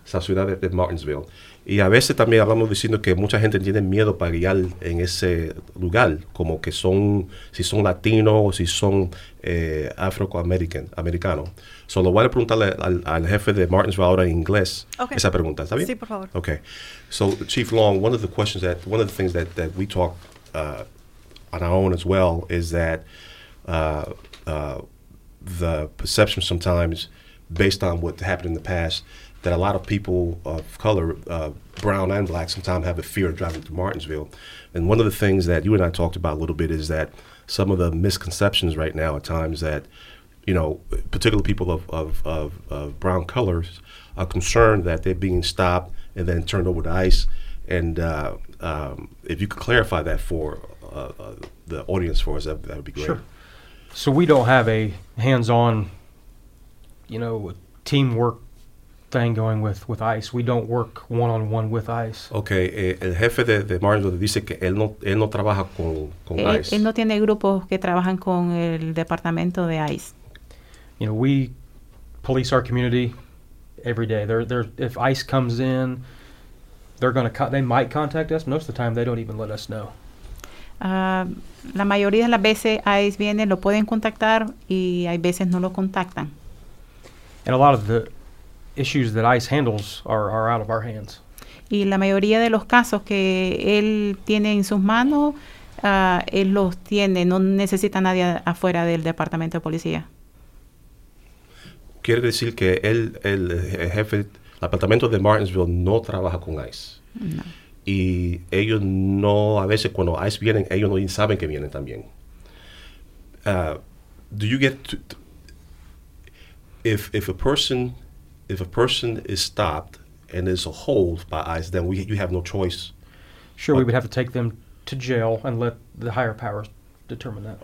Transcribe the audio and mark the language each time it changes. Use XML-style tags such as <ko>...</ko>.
<es>Esa ciudad de Martinsville. Y a veces también hablamos diciendo que mucha gente tiene miedo para guiar en ese lugar, como que si son latinos o si son afroamericanos. Solo voy a preguntarle al jefe de Martinsville ahora en inglés.</es> <en>Okay.</en> <es>Esa pregunta, ¿está bien? Sí, por favor.</es> <en>Okay. So, Chief Long, one of the things that we talk on our own as well is that the perception sometimes based on what happened in the past, that a lot of people of color, brown and black, sometimes have a fear of driving to Martinsville. And one of the things that you and I talked about a little bit is that some of the misconceptions right now at times that, you know, particular people of brown colors are concerned that they're being stopped and then turned over to ICE. And if you could clarify that for the audience for us, that would be great. Sure. So we don't have a hands-on, you know, teamwork thing going with ICE. We don't work one-on-one with ICE.</en> <es>Okay, el jefe de Martinsville dice que él no trabaja con ICE. Él no tiene grupos que trabajan con el departamento de ICE.</es> <en>You know, we police our community every day. They're if ICE comes in, they might contact us. Most of the time, they don't even let us know.</en> <es>La mayoría de las veces ICE viene, lo pueden contactar, y hay veces no lo contactan.</es> <en>And a lot of the issues that ICE handles are out of our hands.</en> <es>Y la mayoría de los casos que él tiene en sus manos, él los tiene, no necesita nadie afuera del departamento de policía. Quiere decir que el jefe, el departamento de Martinsville no trabaja con ICE. No. Y ellos no, a veces cuando ICE vienen, ellos no saben que vienen también.</es> <en>Do you get to, if a person is stopped and is a hold by ICE, then you have no choice. Sure, we would have to take them to jail and let the higher powers determine that.</en>